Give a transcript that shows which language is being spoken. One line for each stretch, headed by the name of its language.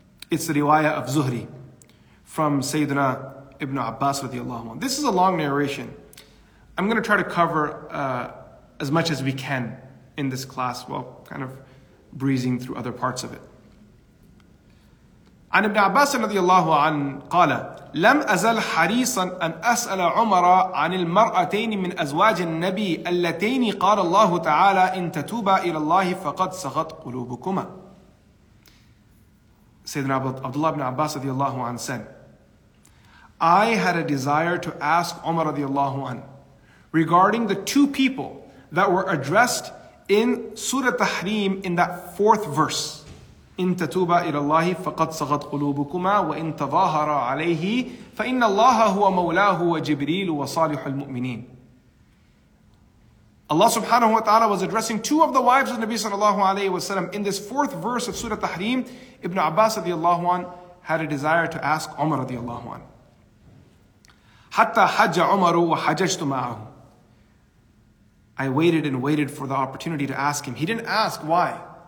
English: It's the riwayah of Zuhri from Sayyidina Ibn Abbas radiallahu anha. This is a long narration. I'm going to try to cover as much as we can in this class. Well, kind of breezing through other parts of it.
Arabic: عن ابن عباس رضي الله عنه قال لم أزل حريصا أن أسأل عمر عن المرأتين من أزواج النبي اللتين قال الله تعالى إن تتوبا إلى الله فقد سغت قلوبكما.
English: سيدنا عبد الله بن عباس رضي الله عنه said, I had a desire to ask عمر رضي الله عنه regarding the two people that were addressed in Surah Tahrim, in that fourth verse,
Arabic: إِن تَتُوبَ إِلَى اللَّهِ فَقَدْ سَغَتْ قُلُوبُكُمَا وَإِن تَظَاهَرَ عَلَيْهِ فَإِنَّ اللَّهَ هُوَ مَوْلَاهُ وَجِبْرِيلُ وَصَالِحُ الْمُؤْمِنِينَ.
English: Allah subhanahu wa ta'ala was addressing two of the wives of Nabi sallallahu alayhi wa sallam. In this fourth verse of Surah Tahrim, Ibn Abbas radiallahu anhu had a desire to ask Umar radiallahu anhu.
Arabic: حَتَّى حَجَّ عُمَرُ وَحَجَجْتُ مَعَهُ.
English: I waited and waited for the opportunity to ask him. He didn't ask why.